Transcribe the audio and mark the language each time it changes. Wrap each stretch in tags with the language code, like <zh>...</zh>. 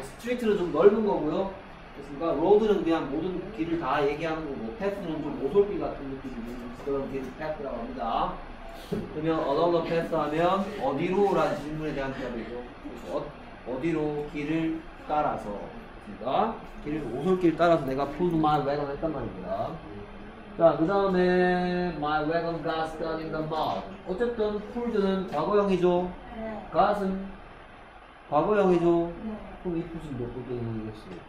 <ko>스트리트는 좀 넓은 거고요. 됐습니까? 로드는 그냥 모든 길을 다 얘기하는 거고, 패스는 좀 오솔길 같은 느낌이 있는 그런 길을 패스라고 합니다. 그러면 어덜러 패스 하면 어디로라는 질문에 대한 대답이죠. 어디로 길을 따라서 됐습니까? 길을 오솔길 따라서 내가</ko> <en>pulled my wagon</en> <ko>했단 말입니다. 자, 그 다음에</ko> <en>my wagon got stuck in the mud.</en> <ko>어쨌든 pulled는 과거형이죠. got은 과거형이죠. 그럼 이 뜻은 몇 번 되는 것이?</ko>